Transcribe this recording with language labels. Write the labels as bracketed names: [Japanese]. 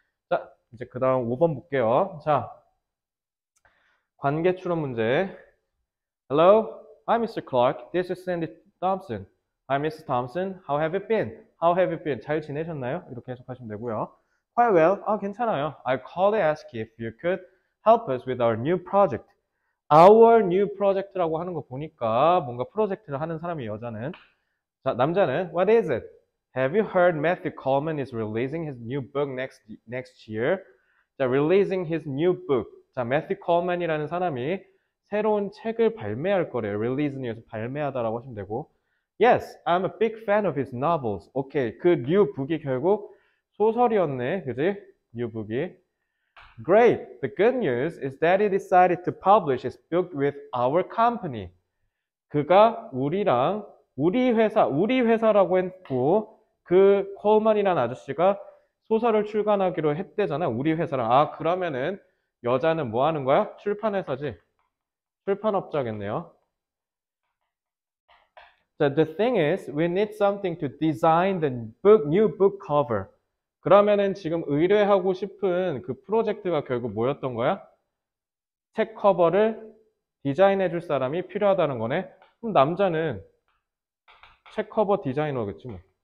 [Korean] 자, 이제 그 다음 5번 볼게요. 자, 관계 추론 문제. [English] Hello, I'm Mr. Clark. This is Sandy Thompson. Hi, Mr. Thompson. How have you been? How have you been? [Korean] 잘 지내셨나요? 이렇게 해석하시면 되고요. [English] Quite well. [Korean] 아, 괜찮아요. [English] I called to ask if you could help us with our new project. Our new project [Korean] 라고 하는 거 보니까 뭔가 프로젝트를 하는 사람이 여자는. 자, 남자는 [English] What is it? Have you heard Matthew Coleman is releasing his new book next year? [Korean] 자, [English] releasing his new book. [Korean] 자, Matthew Coleman이라는 사람이 새로운 책을 발매할 거래요. Releasing에서 발매하다라고 하시면 되고. [English] Yes, I'm a big fan of his novels. [Korean] 오케이, 그 new book이 결국 소설이었네, 그지? New book이. Great. [English] The good news is that he decided to publish his book with our company. [Korean] 그가 우리랑 우리 회사라고 했고 그 콜만이라는 아저씨가 소설을 출간하기로 했대잖아. 우리 회사랑. 아, 그러면은 여자는 뭐 하는 거야? 출판회사지. 출판업자겠네요. [English] So the thing is, we need something to design the book, new book cover. [Korean] 그러면은 지금 의뢰하고 싶은 그 프로젝트가 결국 뭐였던 거야? 책 커버를 디자인해줄 사람이 필요하다는 거네. 그럼 남자는 책 커버 디자이너겠지 뭐.